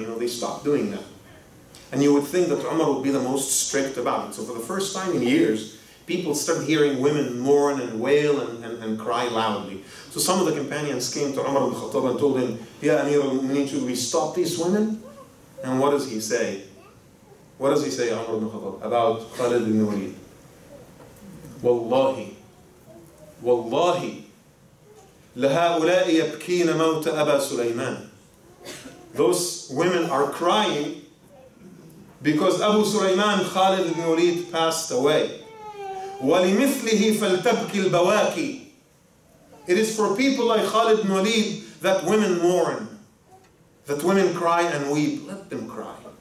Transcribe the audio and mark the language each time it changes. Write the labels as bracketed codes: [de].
[en] You know, they stopped doing that. And you would think that Umar would be the most strict about it. So for the first time in years, people started hearing women mourn and wail and cry loudly. So some of the companions came to Umar al-Khattab and told him, Ya Amir al-Mu'mineen, should we stop these women? And what does he say? What does he say, Umar al-Khattab, about Khalid ibn Walid? [ar] Wallahi, wallahi, لَهَاُولَاءِ يَبْكِينَ مَوْتَ أَبَا سُلَيْمَانَ. [en] Those women are crying because Abu Sulaiman Khalid ibn Walid passed away. [ar] وَلِمِثْلِهِ فَلْتَبْكِ الْبَوَاكِ. [en] It is for people like Khalid Mulid that women mourn, that women cry and weep. Let them cry.